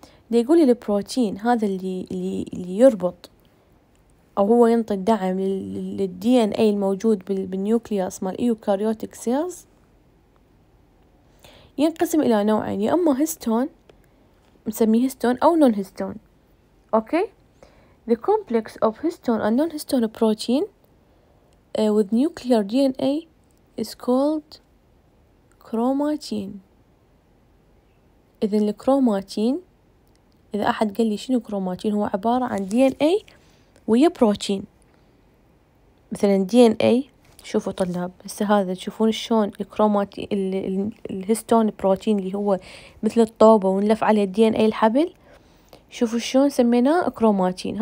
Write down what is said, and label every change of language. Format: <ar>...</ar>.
<ar>دي يقول لي البروتين هذا اللي يربط او هو ينطي الدعم للدي ان اي الموجود بالنيوكلياس مال eukaryotic cells ينقسم الى نوعين، يا اما هيستون نسميه هيستون أو نون هيستون.</ar> <en>Okay the complex of histone and non-histone protein with nuclear DNA is called chromatin.</en> <ar>إذن الكروماتين إذا أحد قال لي شنو كروماتين، هو عبارة عن DNA ويا بروتين. مثلا DNA شوفوا طلاب هسه هذا تشوفون شلون الكروماتين الهيستون بروتين اللي هو مثل الطوبه ونلف عليه الدي ان اي الحبل، شوفوا شلون سميناه كروماتين.</ar>